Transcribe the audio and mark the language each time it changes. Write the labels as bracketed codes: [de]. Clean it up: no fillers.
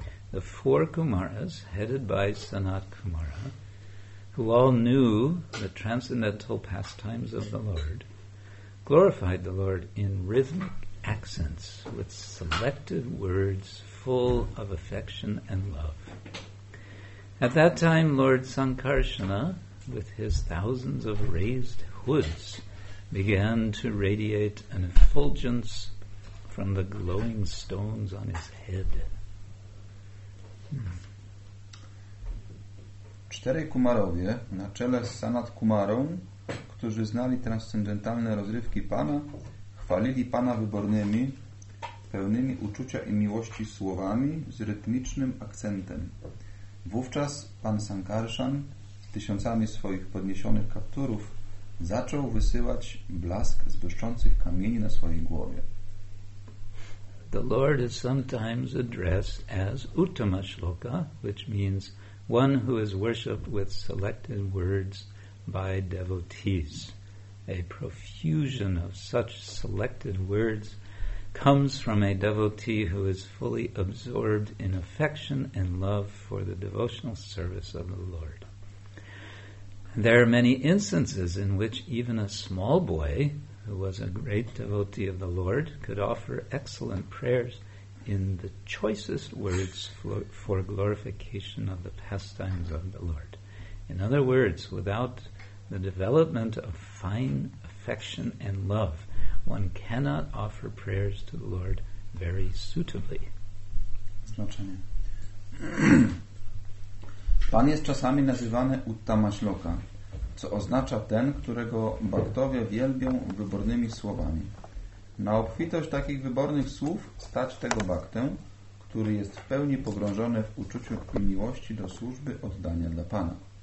[en] The four Kumaras, headed by Sanat Kumara, who all knew the transcendental pastimes of the Lord, glorified the Lord in rhythmic accents with selected words full of affection and love. At that time, Lord Sankarsana, with his thousands of raised hoods, began to radiate an effulgence from the glowing stones on his head. [pl] Czterej kumarowie, na czele z Sanat Kumarą, którzy znali transcendentalne rozrywki Pana, chwalili Pana wybornymi, pełnymi uczucia i miłości słowami z rytmicznym akcentem. Wówczas Pan Sankarsan z tysiącami swoich podniesionych kapturów zaczął wysyłać blask z błyszczących kamieni na swojej głowie. [en] The Lord is sometimes addressed as Uttama Shloka, which means one who is worshipped with selected words by devotees. A profusion of such selected words comes from a devotee who is fully absorbed in affection and love for the devotional service of the Lord. There are many instances in which even a small boy, who was a great devotee of the Lord, could offer excellent prayers in the choicest words for glorification of the pastimes of the Lord. In other words, without the development of fine affection and love, one cannot offer prayers to the Lord very suitably. [pl] Znaczenie. Pan jest czasami nazywany Uttama Shloka, co oznacza ten, którego bhaktowie wielbią wybornymi słowami. Na obfitość takich wybornych słów stać tego baktę, który jest w pełni pogrążony w uczuciu i miłości do służby oddania dla Pana.